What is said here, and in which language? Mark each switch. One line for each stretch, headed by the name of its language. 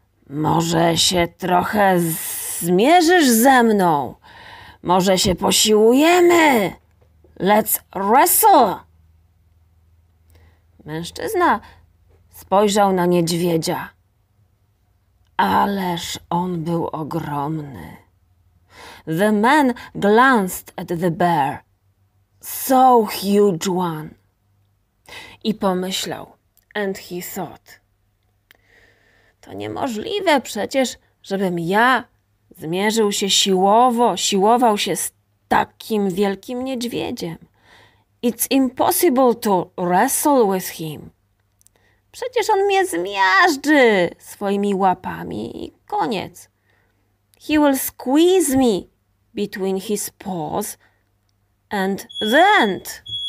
Polish: Może się trochę zmierzysz ze mną? Może się posiłujemy?
English: Let's wrestle!
Polish: Mężczyzna spojrzał na niedźwiedzia. Ależ on był ogromny.
English: The man glanced at the bear. So huge one.
Polish: I pomyślał.
English: And he thought.
Polish: To niemożliwe przecież, żebym ja zmierzył się siłował się z takim wielkim niedźwiedziem.
English: It's impossible to wrestle with him.
Polish: Przecież on mnie zmiażdży swoimi łapami i koniec.
English: He will squeeze me between his paws and the end.